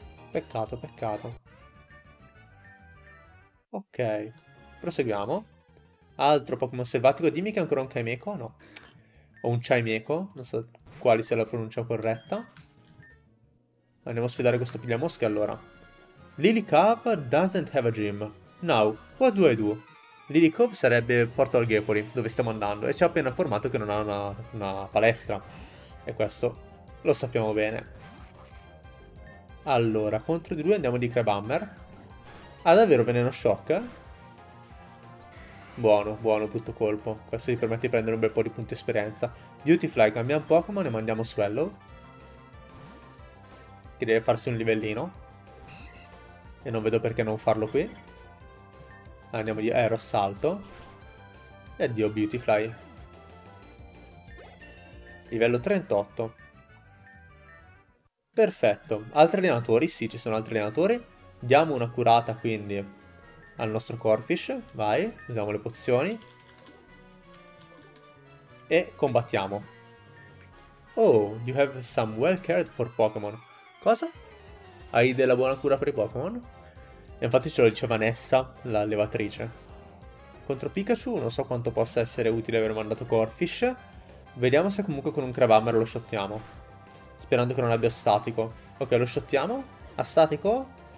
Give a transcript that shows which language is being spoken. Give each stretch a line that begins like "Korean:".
Italian: Peccato, peccato. Ok, proseguiamo. Altro Pokémon selvatico. Dimmi che è ancora un Kaimeko, no? O un Chaimeko, non so quale sia la pronuncia corretta. Andiamo a sfidare questo Pigliamosche allora.
English: Lilycove doesn't have a gym. Now, what do I do?
Italian: Lilycove sarebbe Porto Algepoli, dove stiamo andando, e ci ha appena informato che non ha una palestra. E questo lo sappiamo bene. Allora, contro di lui andiamo di Crabomber. Ha davvero Veneno Shock? Buono, buono, brutto colpo. Questo gli permette di prendere un bel po' di punti esperienza. Beautifly, cambiamo Pokémon e mandiamo Swallow. Che deve farsi un livellino. E non vedo perché non farlo qui. Andiamo di Aerosalto. E addio Beautifly. Livello 38. Perfetto. Altri allenatori? Sì, ci sono altri allenatori. Diamo una curata quindi al nostro Corphish. Vai, usiamo le pozioni. E combattiamo.
English: Oh, you have some well cared for Pokémon.
Italian: Cosa? Hai della buona cura per i Pokémon? E infatti ce lo diceva Nessa, l'allevatrice. Contro Pikachu non so quanto possa essere utile aver mandato Corphish. Vediamo se comunque con un Crabomber lo shottiamo. Sperando che non abbia statico. Ok, lo shottiamo. Ha statico?